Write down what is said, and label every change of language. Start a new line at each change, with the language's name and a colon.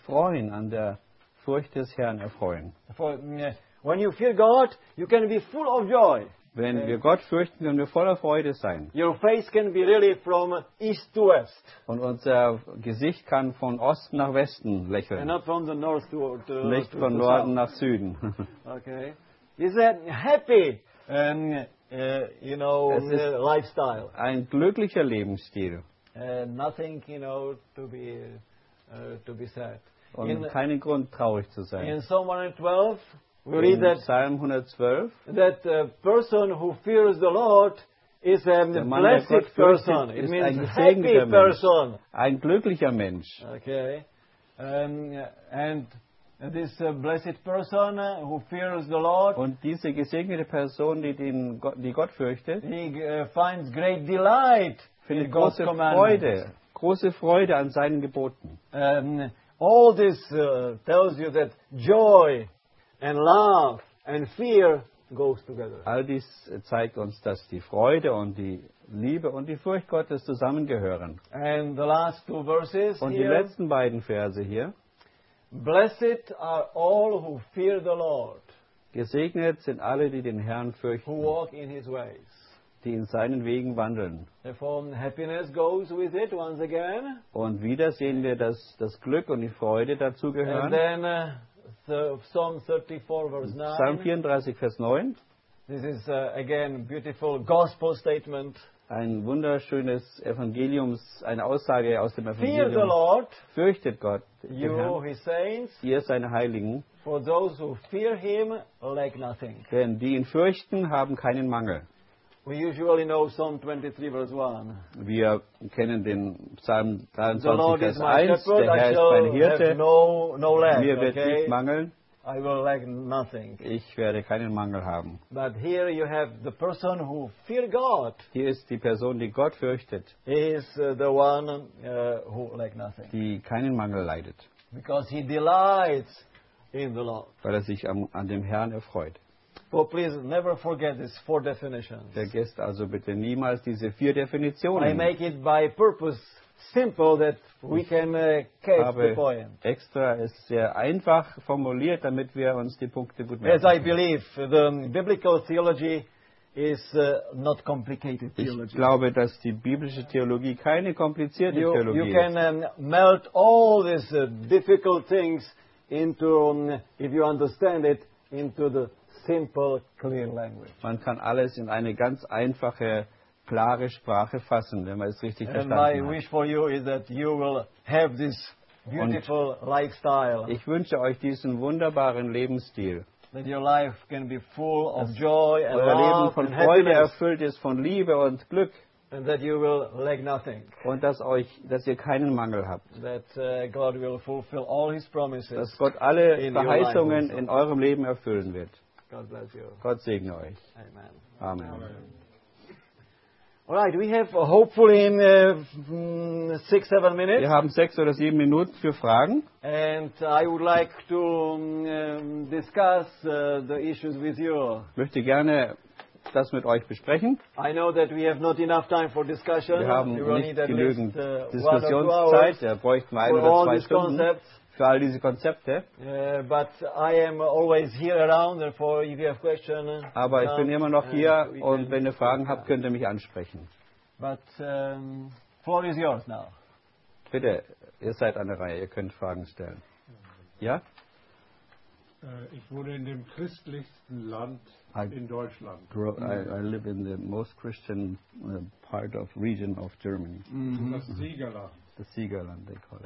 German: Freuen an der Furcht des Herrn erfreuen.
English: For, when you fear God, you can be full of joy.
German: Wenn wir Gott fürchten, können wir voller Freude sein.
English: Your face can be really from east to west.
German: Und unser Gesicht kann von Ost nach Westen lächeln.
English: And not from the north to the
German: Nicht von Norden nach Süden.
English: Okay. Is that happy? You know,
German: es ist
English: lifestyle.
German: Ein glücklicher Lebensstil.
English: Nothing, you know, to be sad.
German: Und keinen Grund traurig zu sein.
English: In Psalm 112, we read that Psalm 112, that a person who fears the Lord is a blessed person. It means happy person.
German: Ein glücklicher Mensch.
English: Okay, and this blessed person who fears the Lord.
German: Und diese gesegnete Person, die Gott fürchtet,
English: he finds great delight in God's commandments.
German: Freude, große Freude an seinen Geboten.
English: All this tells you that joy and love and fear goes together.
German: All dies zeigt uns, dass die Freude und die Liebe und die Furcht Gottes zusammengehören.
English: And the last two verses
German: und
English: here,
German: die letzten beiden Verse hier.
English: Blessed are all who fear the Lord.
German: Gesegnet sind alle, die den Herrn fürchten.
English: Who walk in his ways.
German: Die in seinen Wegen wandeln.
English: Therefore, happiness goes with it once again.
German: Und wieder sehen wir, dass das Glück und die Freude dazugehören.
English: And then Psalm 34, verse 9.
German: Psalm 34, Vers 9.
English: This is again a beautiful gospel statement.
German: Ein wunderschönes Evangeliums, eine Aussage aus dem Evangelium.
English: Fear the Lord,
German: fürchtet Gott,
English: you,
German: den Herrn,
English: his saints,
German: ihr seine Heiligen.
English: For those who fear him, lack nothing.
German: Denn die ihn fürchten, haben keinen Mangel.
English: We usually know Psalm 23, verse 1.
German: Wir kennen den Psalm 23,
English: the Lord
German: Vers
English: is my 1. Shepherd,
German: der Herr ist mein Hirte.
English: No lack,
German: mir wird
English: okay?
German: nicht mangeln.
English: I will lack nothing.
German: Ich werde keinen Mangel haben.
English: But here you have the person who fear God.
German: Hier ist die Person, die Gott fürchtet.
English: Is the one who lack nothing.
German: Die keinen Mangel leidet.
English: Because he delights in the Lord.
German: Weil er sich an dem Herrn erfreut.
English: Well, please never forget these four definitions.
German: Vergesst also bitte niemals diese vier Definitionen.
English: I make it by purpose simple that we can catch the point.
German: Extra ist sehr einfach formuliert, damit wir uns die Punkte gut merken.
English: As I believe, the biblical theology is not complicated theology.
German: Ich glaube, dass die biblische Theologie keine komplizierte Theologie ist.
English: You can melt all these difficult things into, if you understand it, into the simple, clear language.
German: Man kann alles in eine ganz einfache, klare Sprache fassen, wenn man es richtig
English: and
German: verstanden
English: my
German: hat.
English: Wish for you is that you will have this beautiful
German: und
English: lifestyle.
German: Ich wünsche euch diesen wunderbaren Lebensstil.
English: That your life can be full of joy and
German: euer
English: love
German: Leben von
English: and
German: Freude
English: happiness.
German: Erfüllt ist von Liebe und Glück.
English: And that you will lack nothing.
German: Und dass ihr keinen Mangel habt.
English: That God will fulfill all his promises.
German: Dass Gott alle Verheißungen in eurem Leben erfüllen wird.
English: God bless you.
German: Gott segne euch. Amen. Amen. Amen.
English: All right, we have hopefully in 6-7 minutes.
German: Wir haben 6 oder 7 Minuten für Fragen.
English: And I would like to discuss the issues with you.
German: Ich möchte gerne das mit euch besprechen.
English: I know that we have not enough time for discussion.
German: Wir haben nicht genügend Diskussionszeit. Da bräuchten wir 1 oder 2 Stunden. Für all diese Konzepte.
English: But I am always here around, therefore if you have questions.
German: Aber ich bin immer noch hier und wenn ihr Fragen habt, könnt ihr mich ansprechen.
English: But floor is yours now.
German: Bitte, ihr seid an der Reihe, ihr könnt Fragen stellen. Ja? Ich wohne in dem christlichsten Land in Deutschland.
English: I live in the most Christian part of region of Germany.
German: Mm-hmm. Das Siegerland.
English: The Siegerland, they call it.